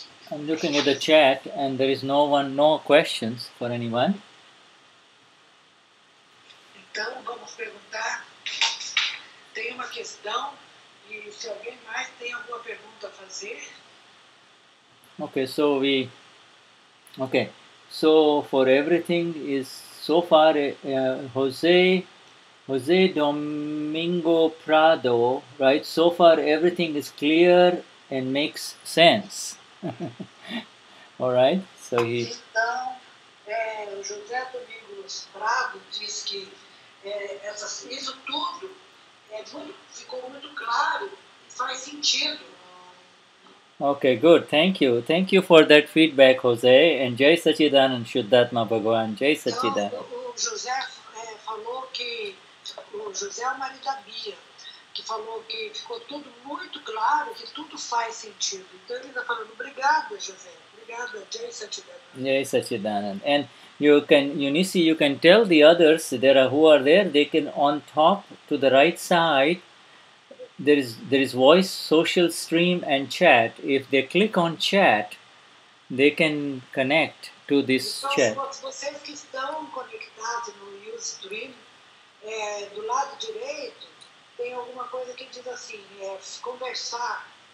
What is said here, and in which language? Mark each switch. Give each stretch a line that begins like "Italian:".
English: I'm looking at the chat and there is no one, no questions for anyone.
Portuguese: Então, vamos perguntar. Tem uma questão e se alguém mais tem alguma pergunta a fazer.
English: Okay, so for everything is so far, Jose Domingo Prado, right? So far, everything is clear and makes sense. All right? So he.
Portuguese: Então, José Domingo Prado diz que isso tudo ficou muito claro e faz sentido.
English: Okay, good. Thank you. Thank you for that feedback, Jose. And Jai Sachidan and Shuddhatma Bhagwan. Jai Sachidan.
Portuguese: Então, o José falou que. O José é o marido da Bia, que falou que ficou tudo muito claro, que tudo faz sentido. Então ele está falando, obrigado, José. Obrigado, Jai Satchidanand. Jai Satchidanand.
English: And you can, Eunice, you can tell the others there are, who are there, they can on top to the right side, there is voice, social stream and chat. If they click on chat, they can connect to this chair.
Portuguese: Vocês que estão conectados no Ustream, do lado direito, tem alguma coisa que diz assim, conversar,